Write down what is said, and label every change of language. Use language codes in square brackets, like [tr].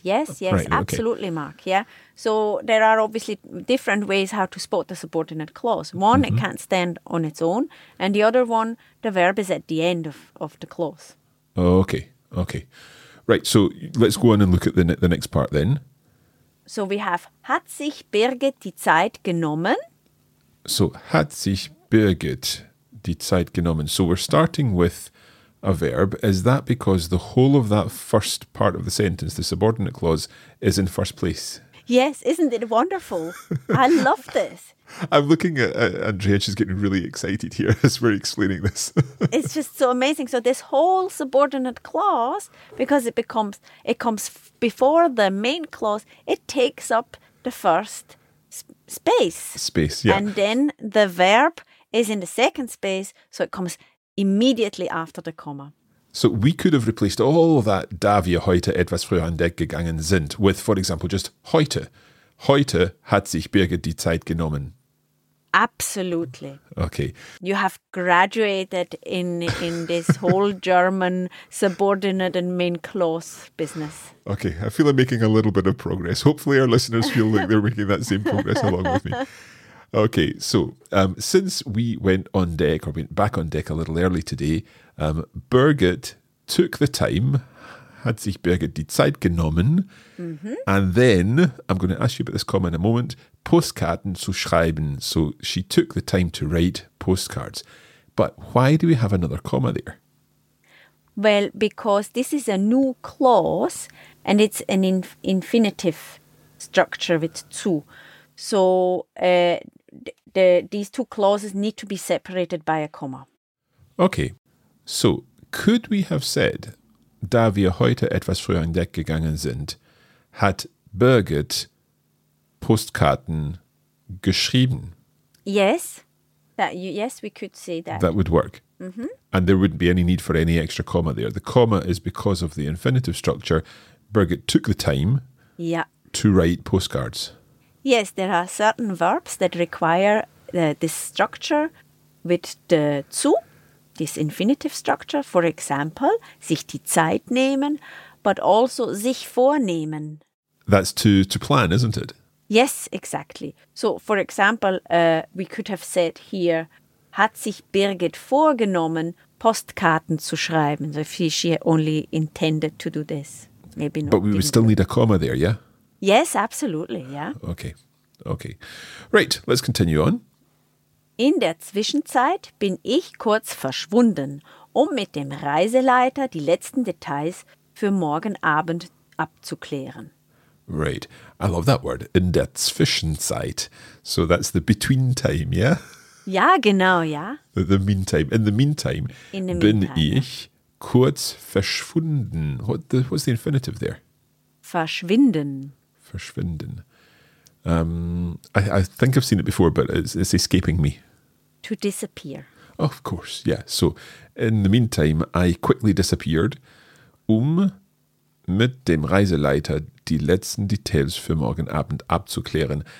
[en] Yes, yes, right, absolutely, okay. Mark. Yeah. So there are obviously different ways how to spot the subordinate clause. One, mm-hmm. it can't stand on its own. And the other one, the verb is at the end of the clause. Okay. Okay. Right. So let's go on and look at the next part then. [de] So we have, hat sich Birgit die Zeit genommen? So hat sich Birgit die Zeit genommen. [en] So we're starting with a verb. Is that because the whole of that first part of the sentence, the subordinate clause, is in first place? Yes, isn't it wonderful? I love this. I'm looking at Andrea, she's getting really excited here as we're explaining this. It's just so amazing. So this whole subordinate clause, because it comes before the main clause, it takes up the first space. Space, yeah. And then the verb is in the second space, so it comes immediately after the comma. So we could have replaced all that [de] da wir heute etwas früher an Deck gegangen sind [en] with, for example, just heute. [de] Heute hat sich Birgit die Zeit genommen. [en] Absolutely. Okay. You have graduated in this whole German subordinate and main clause business. Okay, I feel I'm making a little bit of progress. Hopefully our listeners feel like they're making that same progress along with me. Okay, so since we went on deck or went back on deck a little early today, Birgit took the time, [de] hat sich Birgit die Zeit genommen, [en] mm-hmm. and then, I'm going to ask you about this comma in a moment, [de] Postkarten zu schreiben. [en] So she took the time to write postcards. But why do we have another comma there? Well, because this is a new clause and it's an infinitive structure with zu. So these two clauses need to be separated by a comma. Okay. So could we have said, [de] da wir heute etwas früher an Deck gegangen sind, hat Birgit Postkarten geschrieben? [en] Yes. Yes, we could say that. That would work. Mm-hmm. And there wouldn't be any need for any extra comma there. The comma is because of the infinitive structure. Birgit took the time to write postcards. Yes, there are certain verbs that require this structure with the zu, this infinitive structure. For example, [de] sich die Zeit nehmen, [en] but also [de] sich vornehmen. [en] That's to plan, isn't it? Yes, exactly. So, for example, we could have said here, [de] hat sich Birgit vorgenommen, Postkarten zu schreiben. [en] So if she only intended to do this. Maybe not. But we would still need a comma there, yeah? Yes, absolutely, yeah. Okay, okay. Right, let's continue on. [de] In der Zwischenzeit bin ich kurz verschwunden, um mit dem Reiseleiter die letzten Details für morgen Abend abzuklären. [en] Right, I love that word, [de] in der Zwischenzeit. [en] So that's the between time, yeah? [de] Ja, genau, ja. [en] The meantime. In the meantime, [de] ich kurz verschwunden. [en] What's the infinitive there? [de] Verschwinden. Verschwinden. [en] I think I've seen it before, but it's escaping me. To disappear. Of course, yeah. So, in the meantime, I quickly disappeared, [de] mit dem Reiseleiter die letzten Details für morgen Abend abzuklären.